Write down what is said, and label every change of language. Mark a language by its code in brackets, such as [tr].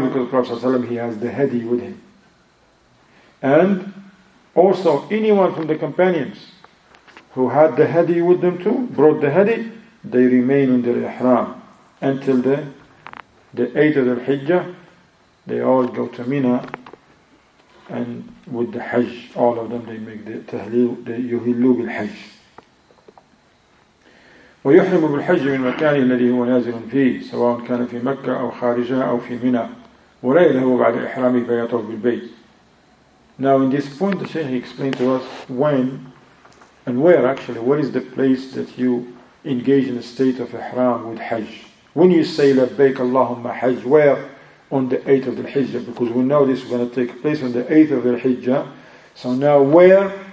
[en] Because the Prophet ﷺ, he has the hadi with him. And also anyone from the companions who had the hadi with them too, brought the hadi, they remain in their ihram until the 8th of the Hijjah. They all go to Mina, and with the Hajj, all of them, they make the tahlil, the yuhillu bil Hajj. [ar] ويحرم بالحج من مكان الذي هو نازل فيه سواء كان في مكة أو خارجها أو في منى ولا يذهب بعد إحرامه فيطوف بالبيت. [en] Now in this point, the Shaykh explained to us when and where actually, what is the place that you engage in a state of ihram with hajj? When you say labbaik Allahumma hajj, where? On the 8th of the Hijjah, because we know this is going to take place on the 8th of the Hijjah. So now where?